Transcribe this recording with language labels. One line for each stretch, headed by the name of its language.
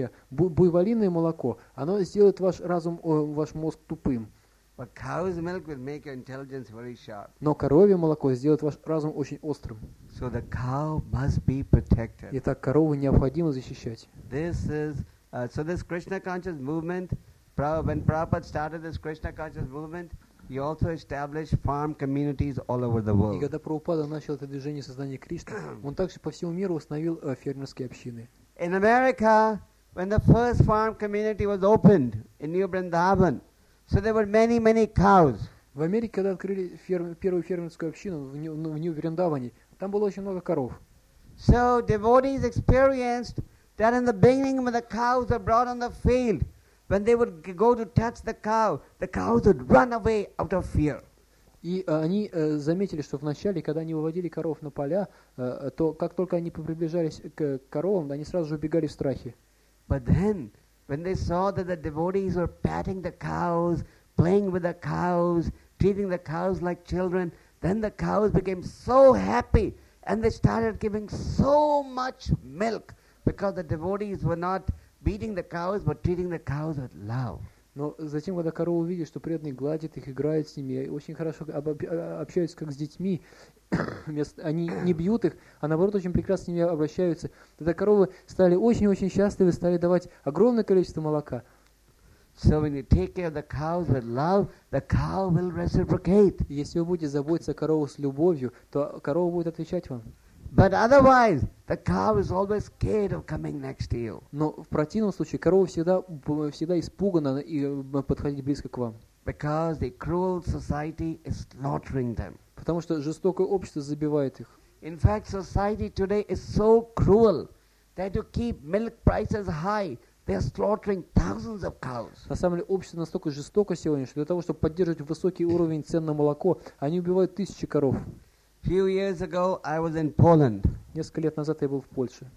Russian: Буйволиное молоко, оно сделает ваш разум, ваш мозг тупым.
English: But cow's milk will make your intelligence very sharp.
Russian: Но коровье молоко сделает ваш разум очень острым.
English: So the cow must be protected.
Russian: Итак, корову необходимо защищать.
English: This is so this Krishna conscious movement. When Prabhupada started this Krishna conscious movement, he also established farm communities all over the world.
Russian: И когда Прабхупада начал это движение создания Кришны, он также по всему миру установил фермерские общины.
English: In America, when the first farm community was opened in New Brindavan, so there were many, many cows.
Russian: В Америке, когда открыли первую фермерскую общину в Нью-Бриндаване, там было очень много коров.
English: So devotees experienced that in the beginning when the cows were brought on the field. When they would go to touch the cows would run away out of fear.
Russian: И они заметили, что вначале, когда они выводили коров на поля, то как только они приближались к коровам, они сразу же убегали в страхе.
English: But then, when they saw that the devotees were patting the cows, playing with the cows, treating the cows like children, then the cows became so happy and they started giving so much milk because the devotees were not beating the cows, but treating the cows with love.
Russian: Но затем, когда корова увидит, что преданный гладит их, играет с ними, очень хорошо общаются как с детьми, они не бьют их, а наоборот очень прекрасно с ними обращаются, тогда коровы стали очень-очень счастливы, стали давать огромное количество молока.
English: So when you take care of the cows with love, the cow will reciprocate.
Russian: Если вы будете заботиться о корове с любовью, то корова будет отвечать вам.
English: But otherwise, the cow is always scared of coming next to you.
Russian: Но в противном случае корова всегда испугана и подходить близко к вам.
English: Because the cruel society is slaughtering them.
Russian: Потому что жестокое общество забивает их.
English: In fact, society today is so cruel that to keep milk prices high, they are slaughtering thousands of cows.
Russian: На самом деле общество настолько жестоко сегодня, что для того, чтобы поддерживать высокий уровень цен на молоко, они убивают тысячи коров.
English: Few years ago, I was in Poland.
Russian: Несколько лет назад я был в Польше.